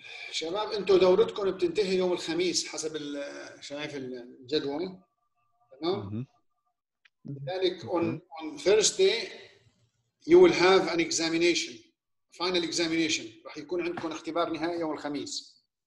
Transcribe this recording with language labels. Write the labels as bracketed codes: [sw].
[ar] شباب أنتوا دورتكم بتنتهي يوم الخميس حسب شايف الجدول. تمام. لذلك [en] on Thursday you will have an examination. Final examination. [ar] راح يكون عندكم اختبار نهائي يوم الخميس.